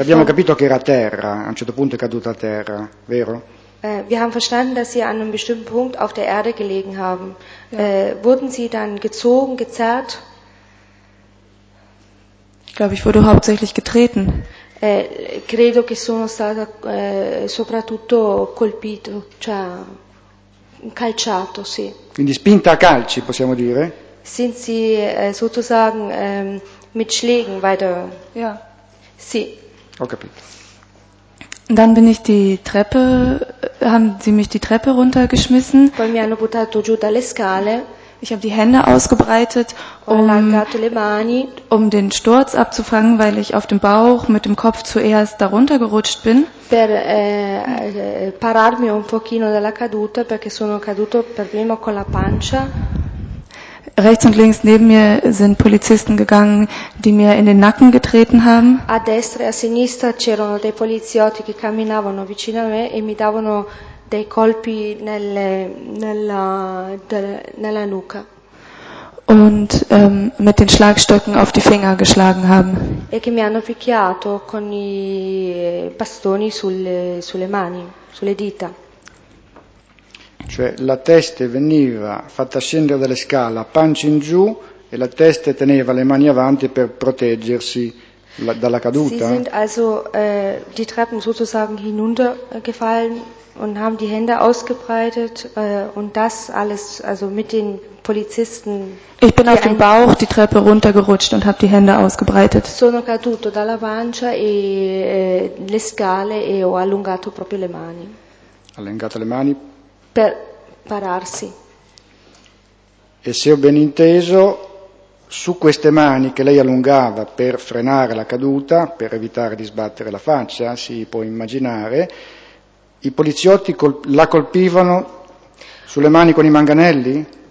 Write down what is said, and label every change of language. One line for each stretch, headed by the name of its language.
Italian: Abbiamo capito che era a terra, a un certo punto è caduta a terra, vero?
German: Wir haben verstanden, dass sie an einem bestimmten Punkt auf der Erde gelegen haben. Ja. Wurden sie dann gezogen, gezerrt? Ich glaube, ich wurde hauptsächlich getreten.
Italian: Credo che sono stata soprattutto colpito, cioè... calciato, sì. Quindi spinta a calci, possiamo dire?
German: Sind sie sozusagen mit Schlägen weiter? Ja.
Italian: Sì. Ho capito.
German: Dann bin ich die Treppe, haben sie mich die Treppe runtergeschmissen.
Italian: Poi mi hanno buttato giù dalle scale.
German: Ich habe die Hände ausgebreitet, um den Sturz abzufangen, weil ich auf dem Bauch mit dem Kopf zuerst darunter gerutscht bin.
Italian: Per pararmi un pochino dalla caduta, perché sono caduto per prima con la pancia.
German: Rechts und links neben mir sind Polizisten gegangen, die mir in den Nacken getreten haben.
Italian: A destra e a sinistra c'erano dei poliziotti che camminavano vicino a me e mi davano dei colpi nella nuca.
German: Und mit den Schlagstöcken auf die Finger geschlagen haben.
Italian: E che mi hanno picchiato con i bastoni sulle mani, sulle dita. Cioè la testa veniva fatta scendere dalle scale, pancia in giù, e la testa teneva le mani avanti per proteggersi dalla caduta.
German: Sie sind also die Treppen sozusagen hinuntergefallen und haben die Hände ausgebreitet und das alles, also mit den Polizisten. Ich bin auf dem Bauch die Treppe runtergerutscht und habe die Hände ausgebreitet.
Italian: Sono caduto dalla pancia e le scale e ho allungato proprio le mani. Allungato le mani per pararsi. E se ho ben inteso, su queste mani che lei allungava per frenare la caduta, per evitare di sbattere la faccia, si può immaginare, i poliziotti la colpivano sulle mani con i manganelli?